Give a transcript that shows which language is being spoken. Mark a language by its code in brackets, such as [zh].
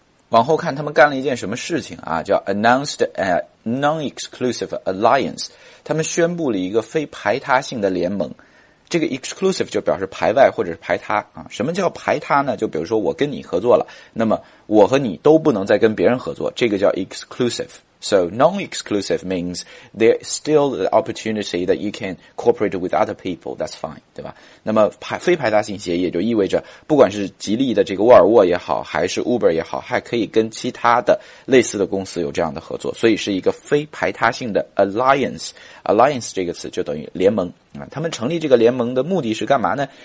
[zh] 往后看他们干了一件什么事情啊，叫 [en] announced a non-exclusive alliance， [zh] 他们宣布了一个非排他性的联盟。这个 exclusive 就表示排外或者是排他啊。什么叫排他呢？就比如说我跟你合作了，那么我和你都不能再跟别人合作，这个叫 exclusive。 [en] So non-exclusive means there's still the opportunity that you can cooperate with other people, that's fine, [zh] 对吧？那么非排他性协议也就意味着不管是吉利的这个沃尔沃也好，还是 Uber 也好，还可以跟其他的类似的公司有这样的合作，所以是一个非排他性的 alliance。 Alliance 这个词就等于联盟啊。他们成立这个联盟的目的是干嘛呢？